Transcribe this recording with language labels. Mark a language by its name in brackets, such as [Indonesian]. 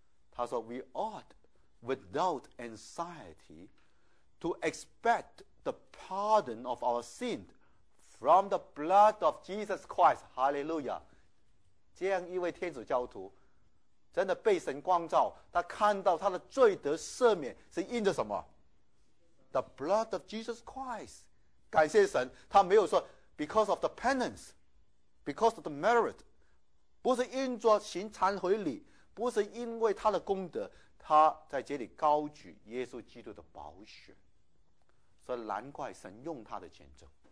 [Chinese] 他说 [English] We ought without anxiety to expect the pardon of our sin from the blood of Jesus Christ. Hallelujah. [Chinese] 这样一位天主教徒真的被神光照，他看到他的罪得赦免是因着什么？ [English] The blood of Jesus Christ. [Chinese] 感谢神，他没有说 [English] because of the penance, because of the merit, [Chinese] 不是因着行忏悔礼，不是因为他的功德，他在这里高举耶稣基督的宝血，所以难怪神用他的见证。